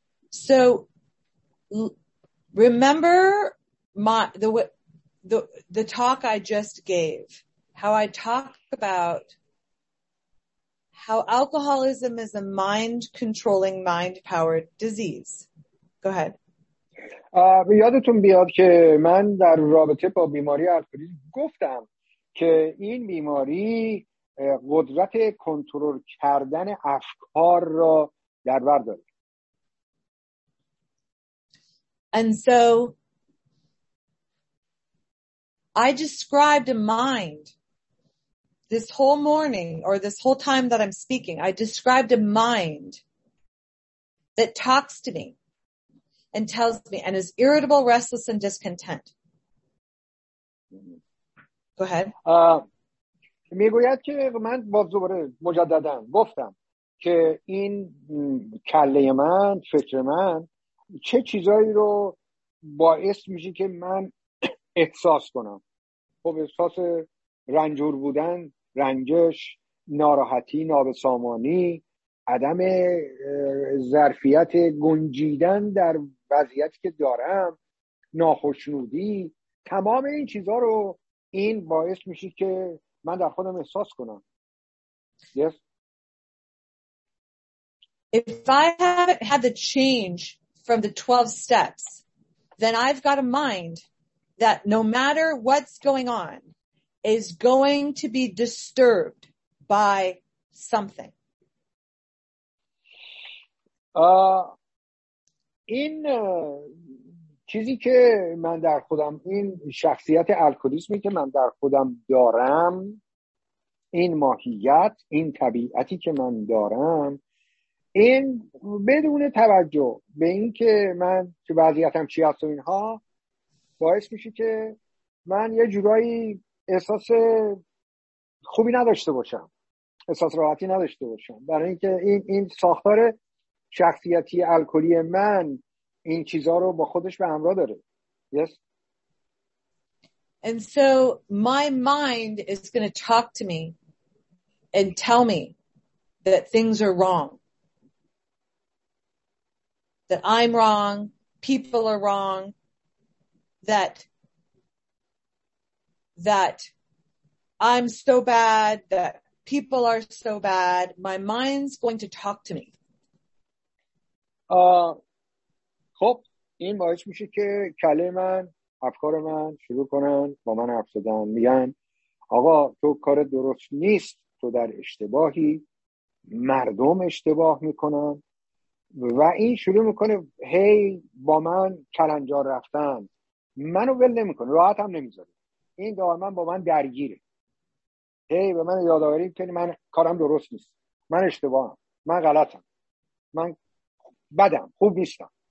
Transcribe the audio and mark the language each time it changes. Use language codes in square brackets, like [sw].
[en] So remember the talk I just gave, how I talk about how alcoholism is a mind controlling, mind powered disease. Go ahead. [fa] یادتون بیاد که من در رابطه با بیماری الکلیسم گفتم که این بیماری قدرت کنترل کردن افکار را در بر دارد. [en] And so I described a mind this whole morning or this whole time that I'm speaking. I described a mind that talks to me and tells me and is irritable, restless, and discontent. Go ahead. [fa] میگوید که من باز دوباره مجددم گفتم که این کله من، فکر من چه چیزایی رو باعث میشه که من احساس کنم. خب احساس رنجور بودن، رنجش، ناراحتی، نابسامانی، عدم ظرفیت گنجیدن در وضعیتی که دارم، ناخشنودی، تمام این چیزها رو این باعث میشه که من در خودم احساس کنم. [en] Yes. If I haven't had the change from the 12 steps, then I've got a mind that no matter what's going on is going to be disturbed by something. [fa] این چیزی که من در خودم، این شخصیت الکلیسمی که من در خودم دارم، این ماهیت، این طبیعتی که من دارم، این بدون توجه به این که من تو وضعیتم چی هست و اینها، باعث میشه که من یه جورایی احساس خوبی نداشته باشم، احساس راحتی نداشته باشم، برای اینکه این ساختار شخصیتی الکلی من این چیزها رو با خودش به همراه داره. [en] Yes. And so my mind is going to talk to me and tell me that things are wrong. That I'm wrong, people are wrong, that I'm so bad, that people are so bad. My mind's going to talk to me. [fa] خب این باعث میشه که کله من، افکار من شروع کنن با من حرف زدن، میگن آقا تو کار درست نیست، تو در اشتباهی، مردم اشتباه میکنن، و این شروع میکنه هی با من کلنجار رفتن، منو ول نمیکنه، راحت هم نمیذاره، این دائما با من درگیره، هی به من یادآوری میکنه من کارم درست نیست، من اشتباهم، من غلطم، من بدم، خوب نیستم.